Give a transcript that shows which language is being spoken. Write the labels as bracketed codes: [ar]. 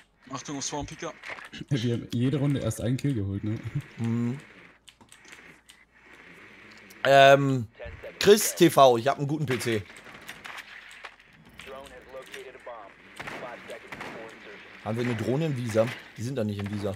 [de] Achtung, Swarm Picker. Wir haben jede Runde erst einen Kill geholt, ne? Mhm. Chris TV, ich habe einen guten PC. [en] Drone has located a bomb. 5 seconds before insertion. [de] Haben wir eine Drohne im Visa? Die sind da nicht im Visa.